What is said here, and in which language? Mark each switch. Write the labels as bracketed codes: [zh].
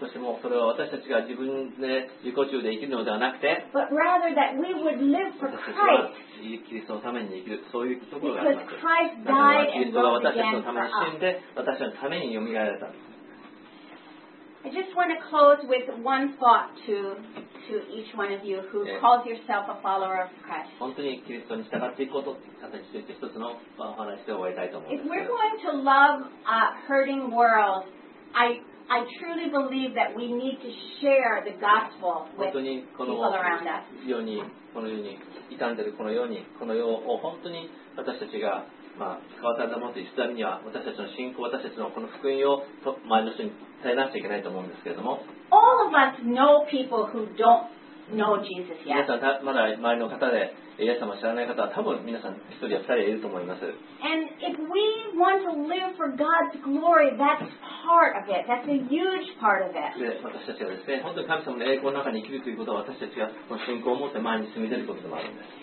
[ja] そしてもうそれは私たちが自分で自己中で生きるのではなくて、 [en] but rather that we would live for Christ. [ja] 私たちはキリストのために生きる、そういうところがあります。 [en] Because Christ died and rose again. [ja] キリストが私たちのために死んで、私たちのために蘇られた。 [en] I just want to close with one thought to each one of you who calls yourself a follower of Christ. [ja] 本当にキリストに従っていこうと形として一つのお話で終わりたいと思います。 [en] If we're going to love a hurting world, I truly believe that we need to share the gospel with people around us. [ja] 本当にこの世に、この世に傷んでいるこの世に、この世を本当に私たちがまあ、変わったと思って、実際には私たちの信仰、私たちのこの福音を周りの人に伝えなくちゃいけないと思うんですけれども。 [en] All of us know people who don't know Jesus yet. [ja] 皆さん、まだ周りの方で、イエス様を知らない方は多分皆さん一人や二人いると思います。 [en] And if we want to live for God's glory, that's part of it. That's a huge part of it. [ja] で、私たちがですね、本当に神様の栄光の中に生きるということは、私たちがこの信仰を持って前に進み出ることでもあるんです。